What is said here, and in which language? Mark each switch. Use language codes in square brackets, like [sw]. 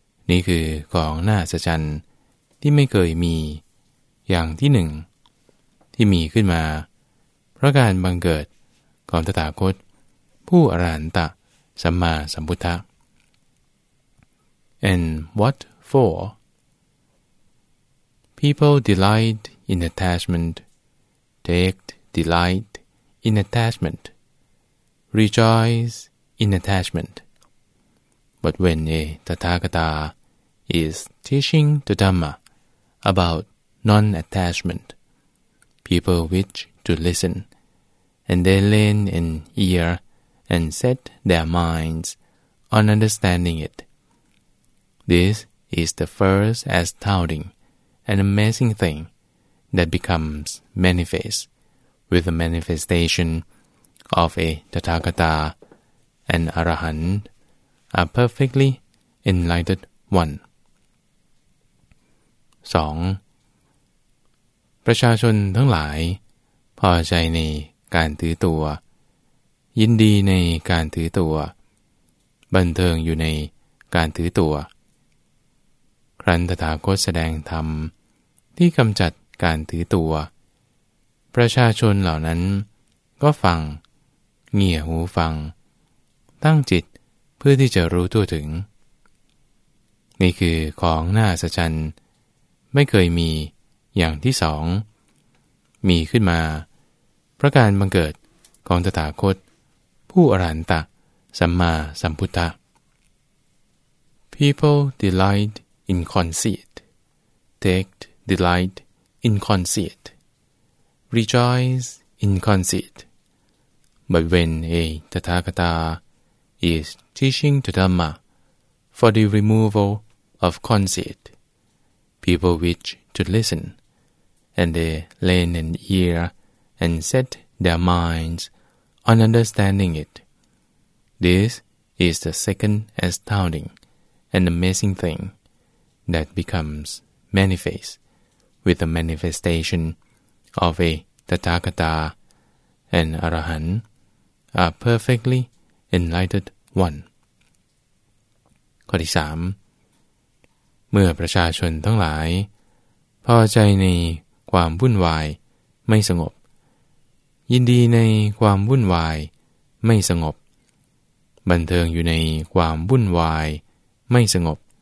[th] นี่คือของน่าสะใจที่ไม่เคยมีอย่างที่หนึ่งที่มีขึ้นมาเพราะการบังเกิดของตถาคตผู้อรหันตะสัมมาสัมพุทธะ [en] And what for? People delight in attachment, take delight in attachment, rejoice in attachment. But when a Tathagata is teaching the Dhamma aboutNon-attachment, people wish to listen, and they lend an ear and set their minds on understanding it. This is the first astounding and amazing thing that becomes manifest with the manifestation of a Tathagata, an Arahant, a perfectly enlightened one. 2. [th] ประชาชนทั้งหลายพอใจในการถือตัวยินดีในการถือตัวบันเทิงอยู่ในการถือตัวครั้นตถาคตแสดงธรรมที่กำจัดการถือตัวประชาชนเหล่านั้นก็ฟังเงี่ยหูฟังตั้งจิตเพื่อที่จะรู้ทั่วถึง นี่คือของน่าสะใจไม่เคยมีอย่างที่สองมีขึ้นมาเพราะการบังเกิดของตถาคตผู้อรหันตะสัมมาสัมพุทธะ [en] People delight in conceit, take delight in conceit, rejoice in conceit. But when a Tathagata is teaching the Dhamma for the removal of conceit, people wish to listenAnd they lend an ear and set their minds on understanding it. This is the second astounding and amazing thing that becomes manifest with the manifestation of a Tathagata, an Arahant, a perfectly enlightened one. [th] ข้อที่สามเมื่อประชาชนทั้งหลายพอใจในความวุ่นวายไม่สงบยินดีในความวุ่นวายไม่สงบบันเทิงอยู่ในความวุ่นวายไม่สงบ